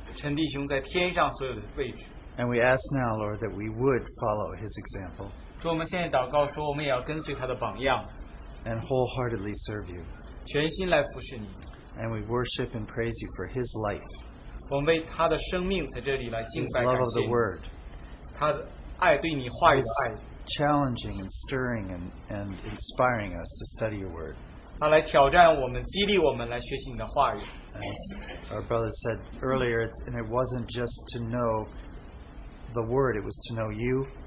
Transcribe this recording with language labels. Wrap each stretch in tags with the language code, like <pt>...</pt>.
<zh>陈弟兄在天上所有的位置。</zh> <en>And we ask now, Lord, that we would follow his example.</en> <zh>主，我们现在祷告说，我们也要跟随他的榜样。</zh> <en>And wholeheartedly serve you.</en> <zh>全心来服侍你。</zh> <en>And we worship and praise you for his life.</en> <zh>我们为他的生命在这里来敬拜感谢。</zh> <en>His love of the word.</en> <zh>他的爱对你话语的爱。</zh> <en>Challenging and stirring and inspiring us to study your word.</en> <zh>他来挑战我们，激励我们来学习你的话语。</zh> <en>As our brother said earlier, and it wasn't just to know the word, it was to know you.</en>